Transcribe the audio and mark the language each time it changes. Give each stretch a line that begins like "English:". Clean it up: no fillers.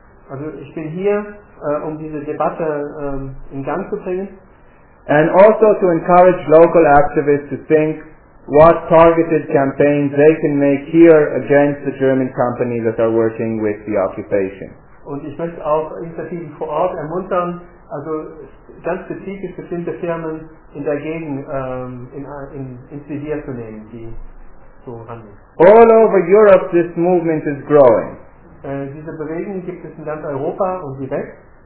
German: Also ich bin hier, um diese Debatte in Gang zu bringen.
English: And also to encourage local activists to think what targeted campaigns they can make here against the German companies that are working with the occupation.
German: Und ich möchte auch Initiativen vor Ort ermuntern, also ganz spezifisch bestimmte Firmen in der Gegend ins Visier zu nehmen, die so handeln.
English: All over Europe this movement is growing.
German: Diese Bewegung gibt es in ganz Europa und sie wächst.